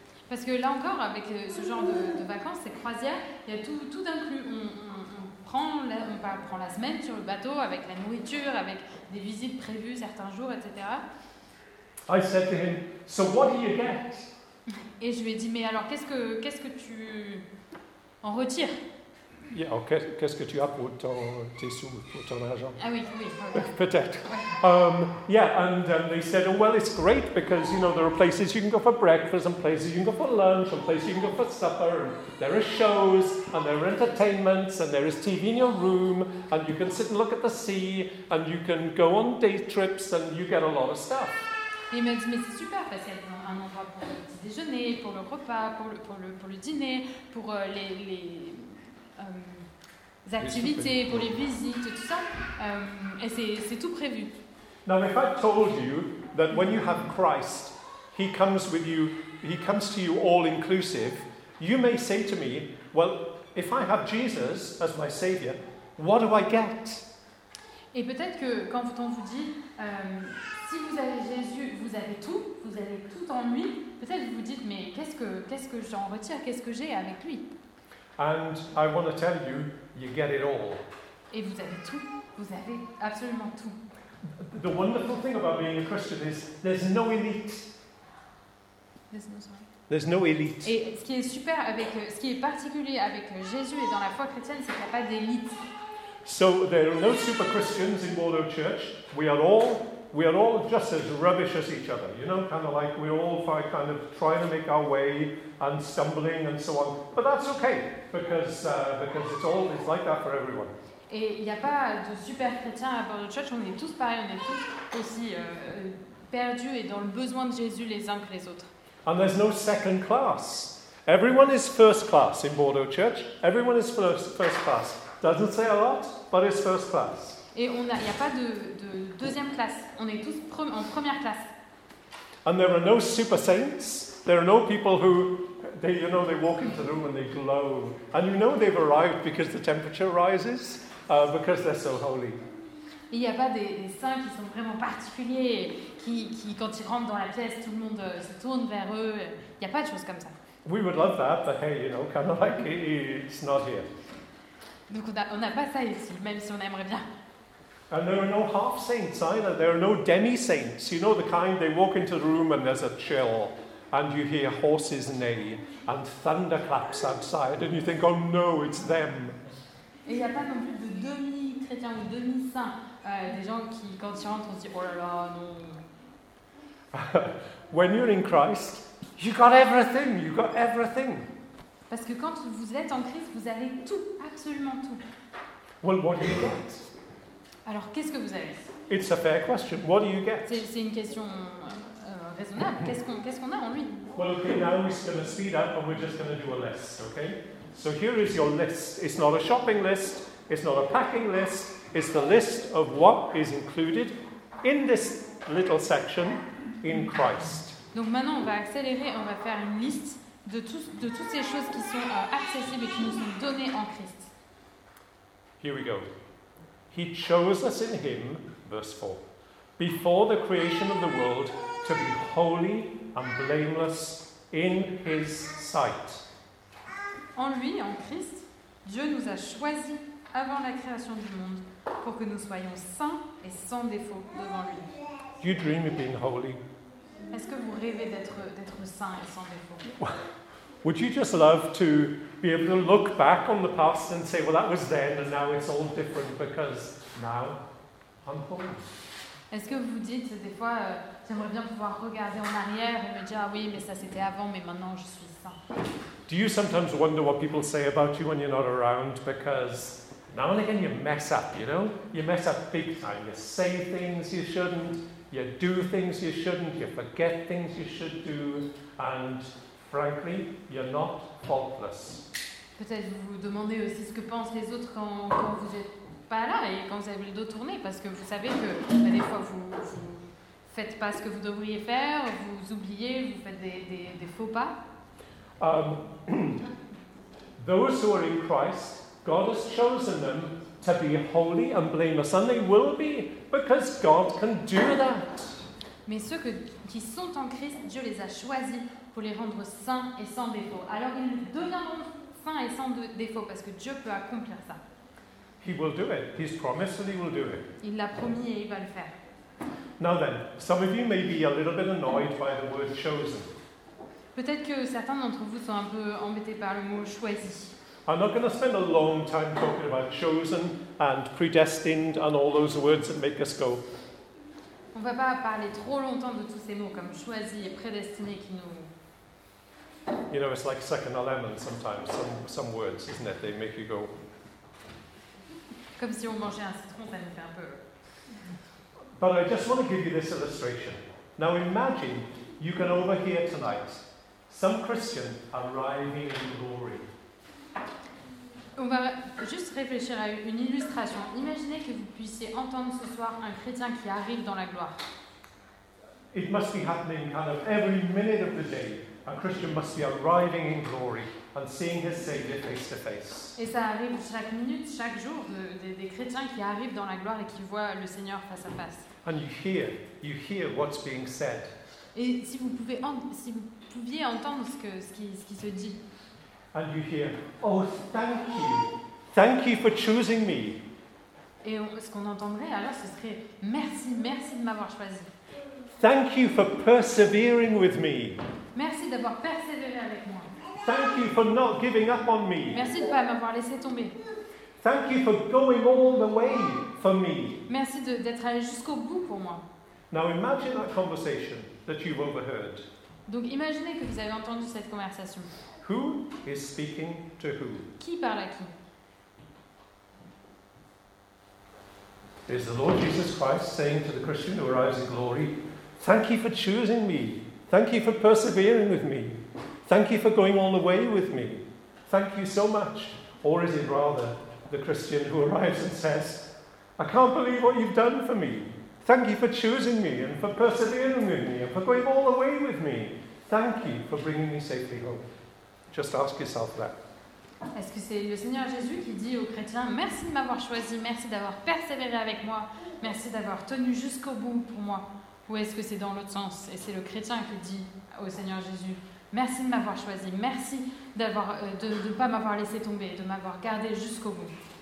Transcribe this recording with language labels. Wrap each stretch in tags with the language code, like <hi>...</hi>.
<fr>Parce que là encore, avec ce genre de vacances, ces croisières, il y a tout inclus. On prend la semaine sur le bateau, avec la nourriture, avec des visites prévues certains jours, etc.</fr> <en>I said to him, so what do you get?</en> <fr>Et je lui ai dit, mais alors, qu'est-ce que tu en retires?</fr> <en>Yeah, okay.</en> <fr>Qu'est-ce que tu as pour tes sous, pour ton argent? Ah oui, oui. Peut-être.</fr> <en>They said, oh, well, it's great because, you know, there are places you can go for breakfast and places you can go for lunch and places you can go for supper. And there are shows and there are entertainments and there is TV in your room and you can sit and look at the sea and you can go on day trips and you get a lot of stuff.</en> <fr>Et il m'a dit, mais c'est super parce qu'il y a un endroit pour le petit déjeuner, pour le repas, pour le dîner, pour les activités, pour les visites, tout ça. Et c'est tout prévu.</fr> <en>Now, if I told you that when you have Christ, he comes with you, he comes to you all inclusive, you may say to me, well, if I have Jesus as my Savior, what do I get?</en> <fr>Et peut-être que quand on vous dit, si vous avez Jésus, vous avez tout en lui, peut-être vous vous dites, mais qu'est-ce que j'en retire, qu'est-ce que j'ai avec lui?</fr> <en>And I want to tell you, you get it all.</en> <fr>Et vous avez tout, vous avez absolument tout.</fr> <en>The wonderful thing about being a Christian is there's no elite. There's no elite.</en> <fr>Et ce qui est super avec, ce qui est particulier avec Jésus et dans la foi chrétienne, c'est qu'il n'y a pas d'élite.</fr> <en>So there are no super Christians in Waldo Church. We are all just as rubbish as each other. You know, kind of like we're all kind of trying to make our way and stumbling and so on. But that's okay because it's like that for everyone.</en> <fr>Et il n'y a pas de super chrétiens à Waldo Church. On est tous pareils. On est tous aussi perdus et dans le besoin de Jésus les uns que les autres.</fr> <en>And there's no second class. Everyone is first class in Waldo Church. Everyone is first class. Doesn't say a lot, but it's first class.</en> <fr>Et il n'y a pas de deuxième classe. On est tous en première classe.</fr> <en>And there are no super saints. There are no people who, they walk into the room and they glow. And you know they've arrived because the temperature rises, because they're so holy.</en> <fr>Il n'y a pas des saints qui sont vraiment particuliers, qui quand ils rentrent dans la pièce, tout le monde se tourne vers eux. Il n'y a pas de choses comme ça.</fr> <en>We would love that, but hey, you know, kind of like it's not here.</en> <fr>Donc on n'a pas ça ici, même si on aimerait bien.</fr> <en>And there are no half saints either. There are no demi saints. You know the kind. They walk into the room and there's a chill, and you hear horses neigh and thunderclaps outside, and you think, oh no, it's them.</en> <fr>Et il n'y a pas non plus de demi chrétiens ou demi saints. Des gens qui, quand ils rentrent, on se dit, oh là là, non.</fr> <en>When you're in Christ, you got everything. You got everything.</en> <fr>Parce que quand vous êtes en Christ, vous avez tout, absolument tout.</fr> <en>Well, what do you get?</en> <fr>Alors, qu'est-ce que vous avez?</fr> <en>It's a fair question. What do you get?</en> <fr>C'est une question raisonnable. Mm-hmm. Qu'est-ce qu'on a en lui?</fr> <en>Well, okay, now we're going to speed up and we're just going to do a list, okay? So here is your list. It's not a shopping list. It's not a packing list. It's the list of what is included in this little section in Christ.</en> <fr>Donc maintenant, on va accélérer. On va faire une liste de toutes ces choses qui sont accessibles et qui nous sont données en Christ.</fr> <en>Here we go. He chose us in him, verse 4, before the creation of the world to be holy and blameless in his sight.</en> <fr>En lui, en Christ, Dieu nous a choisis avant la création du monde pour que nous soyons saints et sans défaut devant lui.</fr> <en>You dream of being holy?</en> <fr>Est-ce que vous rêvez d'être saints et sans défaut?</fr> <en>Would you just love to be able to look back on the past and say, well, that was then, and now it's all different because now I'm holy?</en> <fr>Est-ce que vous dites des fois, j'aimerais bien pouvoir regarder en arrière et me dire, ah oui, mais ça c'était avant, mais maintenant je suis saint?</fr> <en>Do you sometimes wonder what people say about you when you're not around? Because now and again you mess up, you know? You mess up big time. You say things you shouldn't, you do things you shouldn't, you forget things you should do, and frankly, you're not faultless.</en> <fr>Peut-être vous vous demandez aussi ce que pensent les autres quand vous n'êtes pas là et quand vous avez le dos tourné, parce que vous savez que bah, des fois vous faites pas ce que vous devriez faire, vous oubliez, vous faites des faux pas.</fr> <en>Those who are in Christ, God has chosen them to be holy and blameless, and they will be because God can do that.</en> <fr>Mais ceux qui sont en Christ, Dieu les a choisis pour les rendre saints et sans défaut. Alors ils deviendront saints et sans défaut parce que Dieu peut accomplir ça.</fr> <en>He will do it. He's promised that he will do it.</en> <fr>Il l'a promis et il va le faire.</fr> <en>Now then, some of you may be a little bit annoyed by the word chosen.</en> <fr>Peut-être que certains d'entre vous sont un peu embêtés par le mot choisi.</fr> <en>I'm not going to spend a long time talking about chosen and predestined and all those words that make us go.</en> <fr>On va pas parler trop longtemps de tous ces mots comme choisi et prédestiné qui nous.</fr> <en>You know, it's like sucking a lemon sometimes. Some words, isn't it? They make you go.</en> <fr>Comme si on mangeait un citron, ça nous fait un peu.</fr> <en>But I just want to give you this illustration. Now imagine you can overhear tonight some Christian arriving in glory.</en> <fr>On va juste réfléchir à une illustration. Imaginez que vous puissiez entendre ce soir un chrétien qui arrive dans la gloire.</fr> <en>It must be happening kind of every minute of the day. A Christian must be arriving in glory and seeing his Savior face to face.</en> <fr>Et ça arrive chaque minute, chaque jour, des chrétiens qui arrivent dans la gloire et qui voient le Seigneur face à face.</fr> <en>And you hear what's being said.</en> <fr>Et si vous pouviez entendre ce qui se dit.</fr> <en>And you hear, oh, thank you for choosing me.</en> <fr>Et ce qu'on entendrait alors, ce serait merci, merci de m'avoir choisi.</fr> <en>Thank you for persevering with me.</en> <fr>Merci d'avoir persévéré avec moi.</fr> <en>Thank you for not giving up on me.</en> <fr>Merci de ne pas m'avoir laissé tomber.</fr> <en>Thank you for going all the way for me.</en> <fr>Merci d'être allé jusqu'au bout pour moi.</fr> <en>Now imagine that conversation that you've overheard.</en> <fr>Donc imaginez que vous avez entendu cette conversation.</fr> <en>Who is speaking to who?</en> <fr>Qui parle à qui?</fr> <en>Is the Lord Jesus Christ saying to the Christian who arrives in glory, thank you for choosing me. Thank you for persevering with me. Thank you for going all the way with me. Thank you so much. Or is it rather the Christian who arrives and says, I can't believe what you've done for me. Thank you for choosing me and for persevering with me and for going all the way with me. Thank you for bringing me safely home. Just ask yourself that.</en> <fr>Est-ce que c'est le Seigneur Jésus qui dit aux chrétiens, merci de m'avoir choisi, merci d'avoir persévéré avec moi, merci d'avoir tenu jusqu'au bout pour moi? Ou est-ce que c'est dans l'autre sens et c'est le chrétien qui dit au Seigneur Jésus, merci de m'avoir choisi, merci d'avoir, de pas m'avoir laissé tomber, de m'avoir gardé jusqu'au bout?</fr>